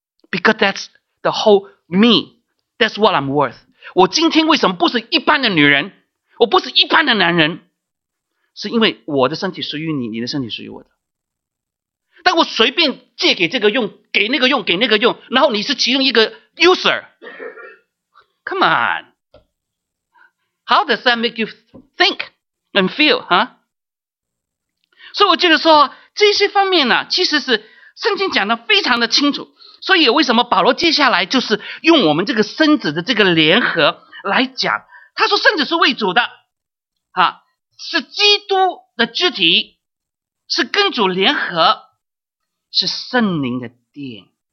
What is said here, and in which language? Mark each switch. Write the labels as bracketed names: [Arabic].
[English] Because that's the whole me, that's what I'm worth。 [Chinese] 我今天为什么不是一般的女人，我不是一般的男人，是因为我的身体属于你，你的身体属于我的。但我随便借给这个用，给那个用，给那个用，然后你是其中一个 user。 [English] Come on, how does that make you think and feel, huh? [Chinese] 所以我觉得说这些方面呢，其实是圣经讲的非常的清楚。所以为什么保罗接下来就是用我们这个身子的这个联合来讲？他说身子是为主的，啊，是基督的肢体，是跟主联合，是圣灵的殿。